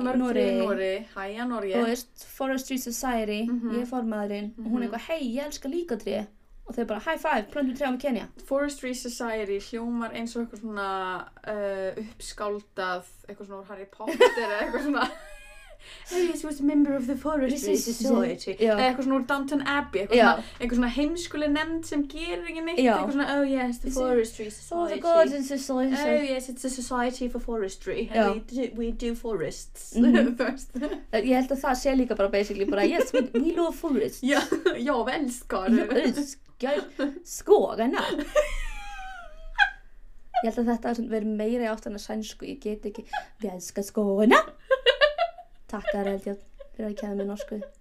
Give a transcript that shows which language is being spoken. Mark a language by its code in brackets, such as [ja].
[is] Nóri. Hæja Nóri. Og veist, Forestry Society, ég er formaðurinn. Mm-hmm. Og hún er eitthvað, hei, ég elska líka tré. Og þau bara, [en] high five, [is] plöndum trjám í Kenya. Forestry Society hljómar eins og eitthvað svona uppskáldað, eitthvað svona Harry Potter eða eitthvað svona. [en] Hey, she was a member of the forestry society. [is] Eða eitthvað svona úr Downton Abbey, eitthvað svona heimskuleg nefnd sem gerir ekki mitt, eitthvað svona, [en] oh yes, the forestry society. Oh, the gardens society. Oh yes, it's a society for forestry. We do forests. Mm-hmm. [is] Ég held að það sé líka bara, basically, bara, [en] yes, we love forests. [is] Já, við elskar. Já, við elskar. Skogana. Ég held að þetta verið meira í áttan að sænsku, ég get ekki, við elskar skogana. Takk, Arel, byrjar að kæða með norsku.